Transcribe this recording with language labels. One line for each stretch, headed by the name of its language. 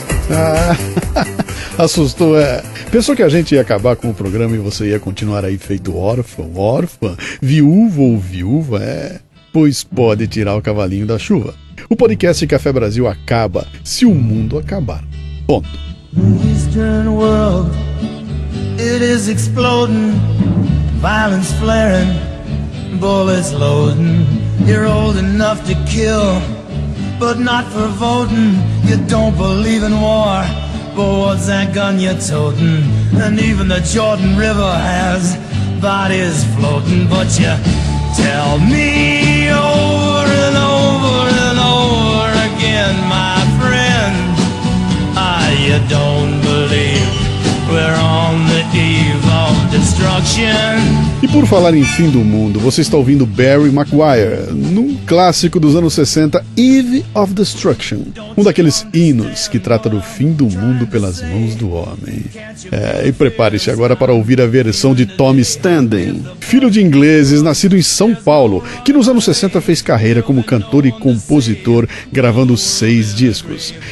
Portuguese: Ah, Assustou, é? Pensou que a gente ia acabar com o programa e você ia continuar aí feito órfão, órfã, viúvo ou viúva, é? Pois pode tirar o cavalinho da chuva. O podcast Café Brasil acaba se o mundo acabar. Ponto.
English: Eastern world, it is exploding. Violence flaring, bullets loading. You're old enough to kill, but not for voting. You don't believe in war, but what's that gun you're toting? And even the Jordan River has bodies floating. But you tell me over and over and over again, my friend, you don't believe we're on the eve of destruction.
Portuguese: E por falar em fim do mundo, você está ouvindo Barry McGuire num clássico dos anos 60, Eve of Destruction, um daqueles hinos que trata do fim do mundo pelas mãos do homem. É, e prepare-se agora para ouvir a versão de Tommy Standen, filho de ingleses, nascido em São Paulo, que nos anos 60 fez carreira como cantor e compositor, gravando 6 discos.